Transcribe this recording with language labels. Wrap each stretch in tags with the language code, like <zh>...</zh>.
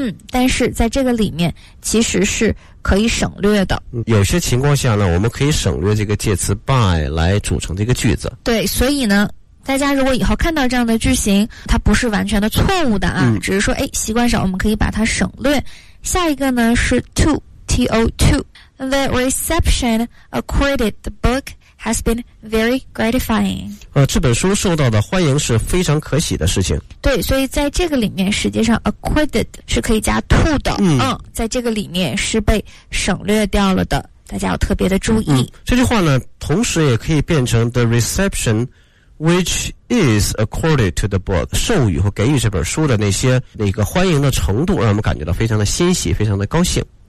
<zh>但是在这个里面其实是可以省略的。有些情况下呢，我们可以省略这个介词 by 来组成这个句子。对，所以呢，大家如果以后看到这样的句型，它不是完全的错误的啊，只是说习惯上我们可以把它省略。下一个呢是 to，T-O-to。</zh> <en>The reception accorded the book has been very gratifying。</en> <zh>这本书受到的欢迎是非常可喜的事情。对，所以在这个里面实际上 accorded 是可以加 to 的。在这个里面是被省略掉了的，大家要特别的注意。这句话呢同时也可以变成</zh> <en>the receptionWhich is accorded to the book，</en> <zh>授予和给予这本书的那个欢迎的程度，让我们感觉到非常的欣喜，非常的高兴。</zh>